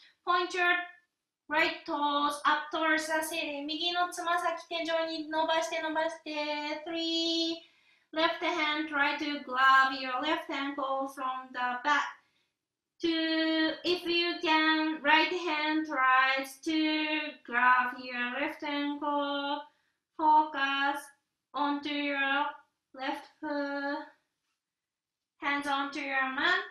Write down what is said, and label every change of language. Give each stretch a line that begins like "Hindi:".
English: Point your right toes up towards the ceiling.
Japanese: 右のつま先天井に伸ばして伸ばして。
English: Three. Left hand try to grab your left ankle from the back. Two. If you can, right hand tries to grab your left ankle. Focus. Onto your left foot, hands onto your mat.